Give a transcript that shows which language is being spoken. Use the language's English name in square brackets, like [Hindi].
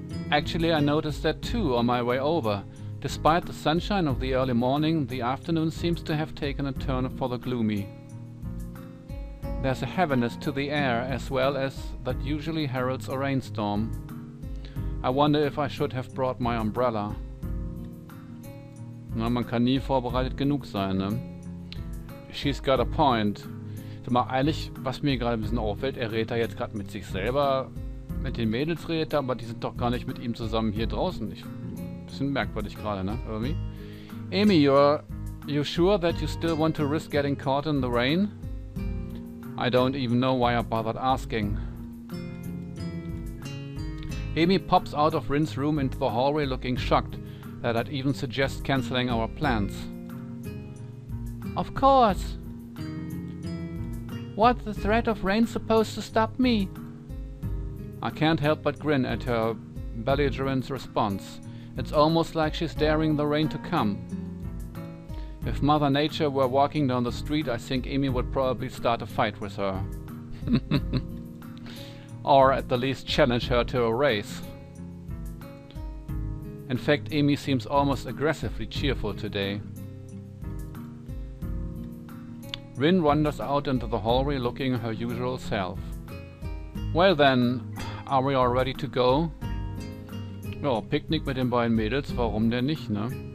[English] Actually, I noticed that too on my way over. Despite the sunshine of the early morning, the afternoon seems to have taken a turn for the gloomy. There's a heaviness to the air, as well as that usually heralds a rainstorm. I wonder if I should have brought my umbrella. [German] Na, man kann nie vorbereitet genug sein, ne? [English] She's got a point. [German] Sag mal, eigentlich, was mir gerade ein bisschen auffällt, er redet da jetzt gerade mit sich selber, mit den Mädels redet er, aber die sind doch gar nicht mit ihm zusammen hier draußen. Bisschen merkwürdig gerade, ne? Irgendwie. [English] Amy, you're sure that you still want to risk getting caught in the rain? I don't even know why I bothered asking. Amy pops out of Rin's room into the hallway looking shocked that I'd even suggest canceling our plans. Of course. What's the threat of rain supposed to stop me? I can't help but grin at her belligerent response. It's almost like she's daring the rain to come. If Mother Nature were walking down the street, I think Amy would probably start a fight with her. Or at the least challenge her to a race. In fact, Amy seems almost aggressively cheerful today. Rin wanders out into the hallway looking her usual self. Well then, are we all ready to go? [German] Ja, Picknick mit den beiden Mädels, warum denn nicht, ne?